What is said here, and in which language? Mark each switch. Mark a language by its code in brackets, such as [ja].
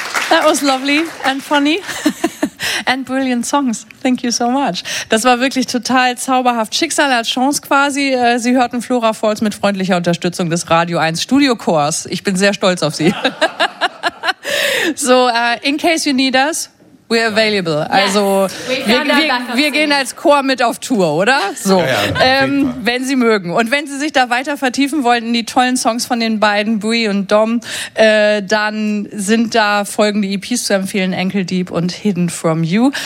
[en] That was lovely and funny and brilliant songs. Thank you so much. [de] Das war wirklich total zauberhaft. Schicksal als Chance quasi. Sie hörten Laura Falls mit freundlicher Unterstützung des Radio 1 Studiochors. Ich bin sehr stolz auf Sie. [en] So, in case you need us, we're available. Yes. [de] Also, wir gehen als Chor mit auf Tour, oder? So, ja, ja, wenn Sie mögen. Und wenn Sie sich da weiter vertiefen wollten, die tollen Songs von den beiden, Bui und Dom, dann sind da folgende EPs zu empfehlen, Ankle Deep und Hidden From You.